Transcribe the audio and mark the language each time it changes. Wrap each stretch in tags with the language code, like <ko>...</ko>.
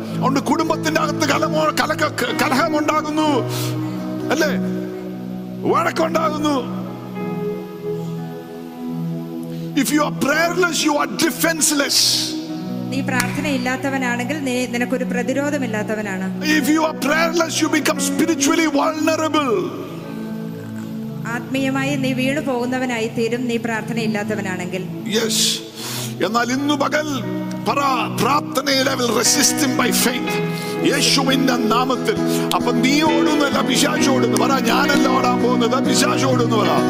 <ml>അതുകൊണ്ട് കുടുംബത്തിന്റെ അകത്ത് കലഹമുണ്ടാകുന്നു അല്ലേ, വഴക്കുണ്ടാകുന്നു.</ml> <en>If you are prayerless, you are defenseless.</en> <ml>നീ പ്രാർത്ഥനയില്ലാത്തവനാണെങ്കിൽ നിനക്കൊരു പ്രതിരോധമില്ലാത്തവനാണ്.</ml> <en>If you are prayerless, you become spiritually vulnerable.</en> <ml>ആത്മീയമായി നീ വീണു പോകുന്നവനായി തീരും നീ പ്രാർത്ഥനയില്ലാത്തവനാണെങ്കിൽ.</ml> <en>Yes.</en> <ml>എന്നാൽ ഇന്നു പകൽ പറ പ്രാർത്ഥനയിൽ</ml> <en>I will resist him by faith.</en> <ml>യേശുവിന്റെ നാമത്തിൽ. അപ്പൊ നീ ഓടുന്നല്ല പിശാചോടുന്ന് പറ, ഞാനല്ല ഓടാൻ പോകുന്നത്, പിശാചോടുന്ന് പറ.</ml>